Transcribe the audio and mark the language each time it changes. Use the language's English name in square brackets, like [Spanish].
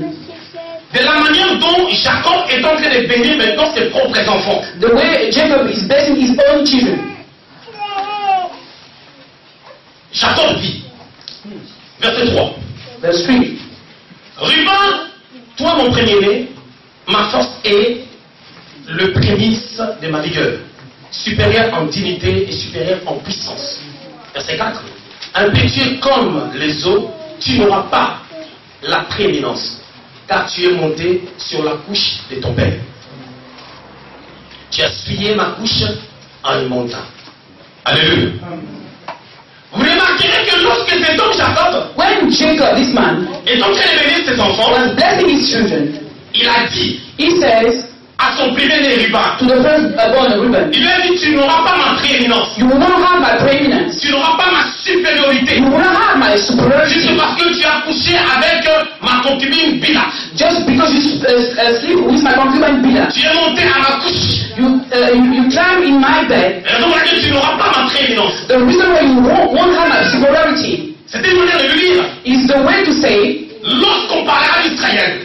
[French] de la manière dont Jacob est en train de bénir maintenant ses propres enfants. [English] The way Jacob is blessing his own children. [French] Jacob dit, verset 3, verset 3. Ruben, toi mon premier-né, ma force est le prémisse de ma vigueur, supérieur en dignité et supérieur en puissance. Verset 4. Impétueux comme les eaux, tu n'auras pas la prééminence, car tu es monté sur la couche de ton père. Tu as souillé ma couche en y montant. Alléluia. Vous remarquerez que lorsque cet homme Jacob, [English] when Jacob, this man, [French] est en train de bénir ses enfants, [English] was blessing his children, [French] il a dit, [English] he says, [French] à son premier-né Ruben, [English] to the firstborn Ruben, [French] il lui a dit, tu n'auras pas ma prééminence, [English] you will not have my preeminence, [French] tu n'auras pas ma supériorité, [English] you will not have my superiority, [French] juste parce que tu as couché avec ma concubine Bila, [English] just because you sleep with my concubine Bila, [French] tu es monté à ma couche. [English] You climb in my bed. [French] Tu n'auras pas ma prééminence. [English] The reason why you won't have my superiority. [French] C'est une manière de lui dire. [English] Is the way to say. [French] Lorsqu'on parlera d'Israël,